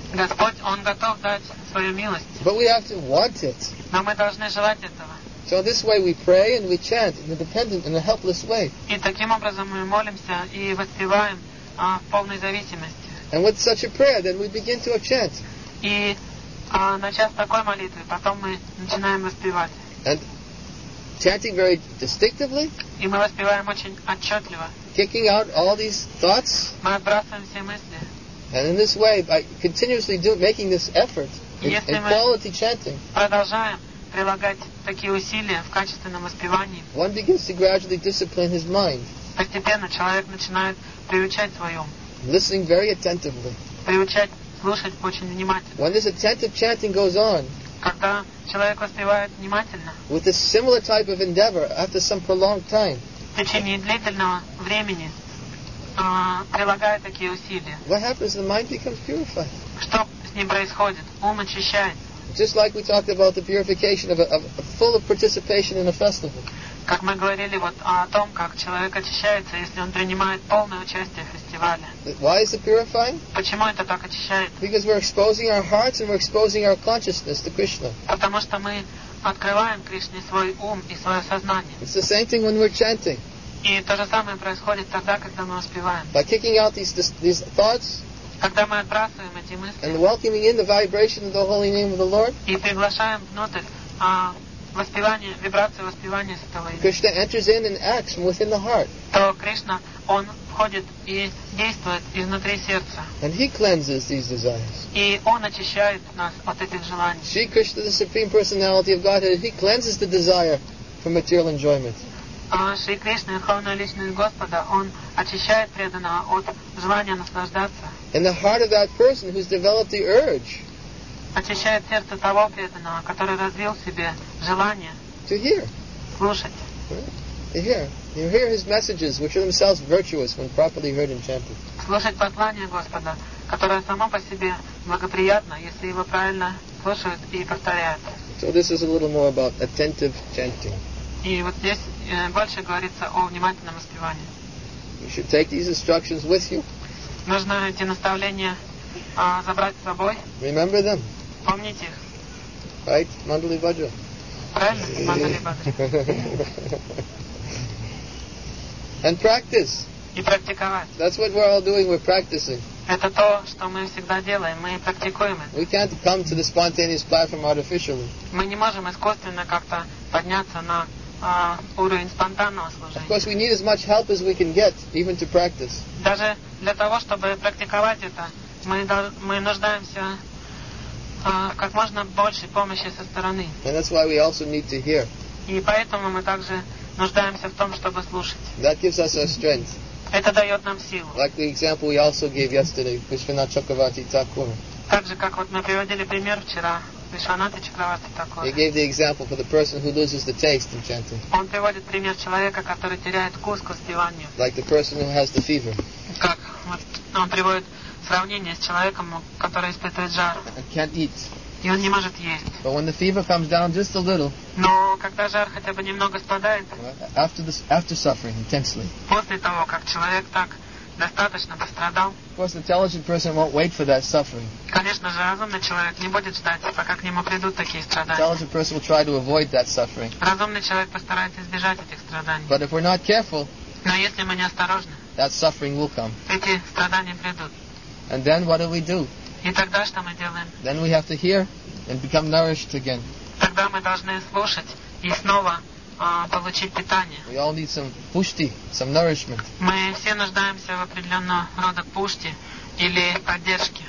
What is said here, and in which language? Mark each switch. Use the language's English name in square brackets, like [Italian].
[Russian] Господь, Он готов дать свою милость. [English] But we have to want it. [Russian] Но мы должны желать этого. [English] So this way we pray and we chant in a dependent and a helpless way. [Russian] И таким образом мы молимся и воспеваем в полной зависимости. [English] And with such a prayer, then we begin to chant. [Russian] И начав такой молитвы, потом мы начинаем воспевать. [English] And chanting very distinctively. [Russian] И мы воспеваем очень отчетливо. [English] Kicking out all these thoughts. [Russian] Мы отбрасываем все мысли. [English] And in this way, by continuously making this effort in quality chanting, [Russian] продолжаем прилагать такие усилия в качественном воспевании, [English] one begins to gradually discipline his mind. [Russian] Постепенно человек начинает приучать свой ум. [English] Listening very attentively. [Russian] Приучать слушать очень внимательно. [English] When this attentive chanting goes on, [Russian] когда человек воспевает внимательно, [English] with a similar type of endeavor after some prolonged time, [Russian] в течение длительного времени прилагая такие усилия. [English] What happens? The mind becomes purified. [Russian] Что с ним происходит? Ум очищается. [English] Just like we talked about the purification of a full of participation in a festival. [Russian] Как мы говорили вот о том, как человек очищается, если он принимает полное участие в фестивале. [English] Why is it purifying? [Russian] Почему это так очищает? [English] Because we're exposing our hearts and we're exposing our consciousness to Krishna. [Russian] Потому что мы открываем Кришне свой ум и свое сознание. [English] It's the same thing when we're chanting. [Russian] И то же самое происходит тогда, когда мы воспеваем. [English] By kicking out these thoughts, [Russian] Когда мы отбрасываем эти мысли, [English] and welcoming in the vibration of the holy name of the Lord, [Russian] и приглашаем внутрь воспевание, вибрацию воспевания святого имени, [English] Krishna enters in and acts within the heart. [Russian] То Кришна, он входит и действует изнутри сердца. [English] And he cleanses these desires. [Russian] И он очищает нас от этих желаний. [English] Shri Krishna, the supreme personality of Godhead, he cleanses the desire for material enjoyment. [Russian] Шри Кришна, Верховная Личность Господа, Он очищает преданного от желания наслаждаться. [English] And the heart of that person who's developed the urge. [Russian] Очищает сердце того преданного, который развил в себе желание. [English] To hear. [Russian] Слушать. [English] To hear. You hear his messages, which are themselves virtuous when properly heard and chanted. [Russian] Слушать послание Господа, которое само по себе благоприятно, если его правильно слушают и повторяют. [English] So this is a little more about attentive chanting. [Russian] И вот здесь больше говорится о внимательном воспевании. [English] You should take these instructions with you. [Russian] Нужно эти наставления забрать с собой. [English] Remember them. [Russian] Помните их. [English] Right, Mandali Bhajra. [Russian] Правильно, Mandali Bhajra. [English] And practice. [Russian] И практиковать. [English] That's what we're all doing. We're practicing. [Russian] Это то, что мы всегда делаем. Мы практикуем это. [English] We can't come to the spontaneous platform artificially. [Russian] Мы не можем искусственно как-то подняться на уровень спонтанного служения. [English] Of course, we need as much help as we can get, even to practice. [Russian] Даже для того, чтобы практиковать это, мы нуждаемся как можно больше помощи со стороны. [English] And that's why we also need to hear. [Russian] И поэтому мы также нуждаемся в том, чтобы слушать. [English] That gives us our strength. [Russian] Это дает нам силу. [English] Like the example we also gave yesterday, Vishwanath Chakravarti Thakur. [Russian] Так же, как вот мы приводили пример вчера, Vishwanath Chakravarti Thakur. [English] He gave the example for the person who loses the taste in chanting. [Russian] Он приводит пример человека, который теряет вкус к воспеванию. [English] Like the person who has the fever. [Russian] Как вот он приводит сравнение с человеком, который испытывает жар. [English] Can't eat. [Russian] И он не может есть. [English] But when the fever comes down just a little. [Russian] Но когда жар хотя бы немного спадает. [English] After suffering intensely. [Russian] После того, как человек так достаточно пострадал. [English] Of course, an intelligent person won't wait for that suffering. [Russian] Конечно же, разумный человек не будет ждать, пока к нему придут такие страдания. [English] Intelligent person will try to avoid that suffering. [Russian] Разумный человек постарается избежать этих страданий. [English] But if we're not careful. [Russian] Но если мы не осторожны. [English] That suffering will come. [Russian] Эти страдания придут. [English] And then what do we do? [Russian] И тогда что мы делаем? [English] Then we have to hear and become nourished again. [Russian] Тогда мы должны слушать и снова получить питание. [English] We all need some pushti, some nourishment. [Russian] Мы все нуждаемся в определенного рода пушти или поддержки.